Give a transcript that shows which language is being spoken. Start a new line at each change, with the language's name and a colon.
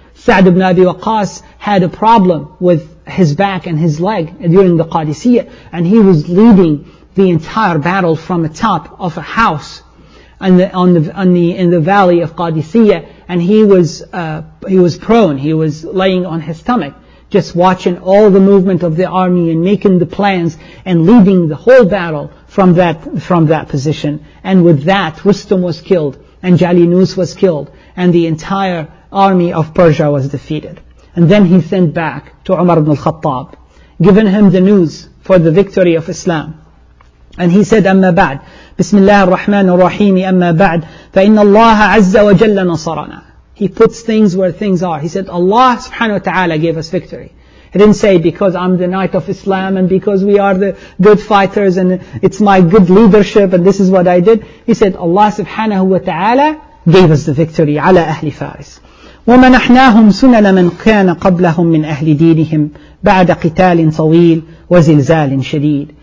English: Sa'd ibn Abi Waqqas had a problem with his back and his leg during the Qadisiyah, and he was leading the entire battle from the top of a house in the valley of Qadisiyah, and he was prone, he was laying on his stomach, just watching all the movement of the army and making the plans and leading the whole battle from that position. And with that, Rustam was killed and Jalinus was killed and the entire army of Persia was defeated. And then he sent back to Umar ibn al-Khattab, giving him the news for the victory of Islam. And he said,
Arabic: أما بعد, بسم الله الرحمن الرحيم, أما بعد, فإن الله عز وجل نصرنا.
English: He puts things where things are. He said, Allah subhanahu wa ta'ala gave us victory. He didn't say, because I'm the knight of Islam and because we are the good fighters and it's my good leadership and this is what I did. He said, Allah subhanahu wa ta'ala gave us the victory.
Arabic: عَلَىٰ أَهْلِ فَارِسِ وَمَنَحْنَاهُمْ سُنَنَ مَنْ كَانَ قَبْلَهُمْ مِنْ أَهْلِ دِينِهِمْ بَعْدَ قِتَالٍ طَوِيلٍ وَزِلْزَالٍ شَدِيدٍ.